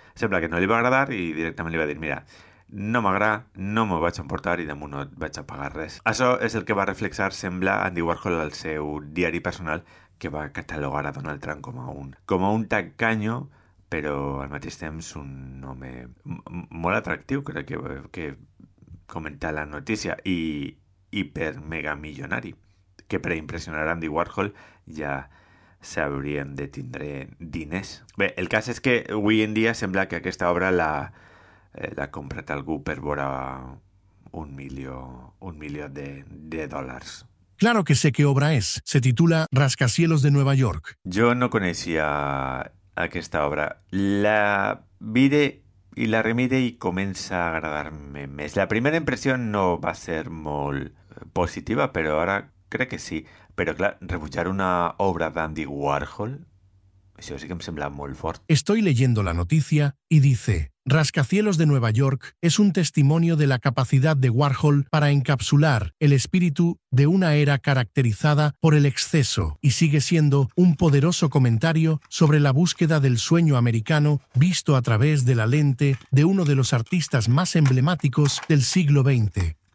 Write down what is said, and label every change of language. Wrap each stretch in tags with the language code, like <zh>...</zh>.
<ca>Sembla que no li va agradar i directament li va dir: mira, no m'agrada, no m'ho vaig emportar i damunt no et vaig apagar res. Això és el que va reflexar, sembla, Andy Warhol al seu diari personal, que va catalogar a Donald Trump com a un tacaño, però al mateix temps un home molt atractiu, crec que</ca> <es>comenté la noticia, y hiper mega millonari, que para impresionar a Andy Warhol ya se habrían de</es> <ca>tindre diners. Bé, el cas és que avui en dia sembla que aquesta obra la la comprat algú per vora un milió de dòlars.</ca> <es>Claro que sé qué obra es. Se titula Rascacielos de Nueva York.</es> <ca>Jo no coneixia aquesta obra. La vide i la remide i comença a agradar-me més. La primera impressió no va ser molt positiva, però ara crec que sí. Però, clar, rebutjar una obra d'Andy Warhol, això sí que em sembla molt fort.</ca> <es>Estoy leyendo la noticia y dice: Rascacielos de Nueva York es un testimonio de la capacidad de Warhol para encapsular el espíritu de una era caracterizada por el exceso, y sigue siendo un poderoso comentario sobre la búsqueda del sueño americano visto a través de la lente de uno de los artistas más emblemáticos del siglo XX.</es>